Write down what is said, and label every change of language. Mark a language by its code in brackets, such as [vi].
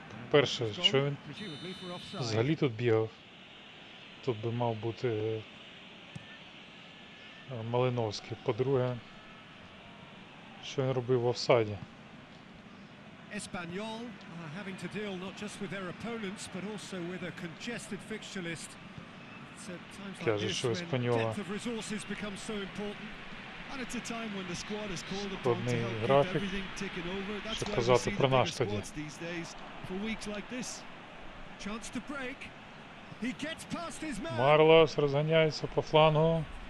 [uk] Перше, що він взагалі тут бігав? Тут би мав бути Малиновський. По-друге, що він робив в офсайді? [en] Espanyol are having to deal not just with their opponents, but also with a congested fixture list. It's at times like this when depth of resources becomes so important. And it's a time when the squad is called upon to help keep everything ticking over. That's why we see the bigger squads these days. For weeks like this, chance to break. He gets past his man. [uk] Марлос розганяється по флангу.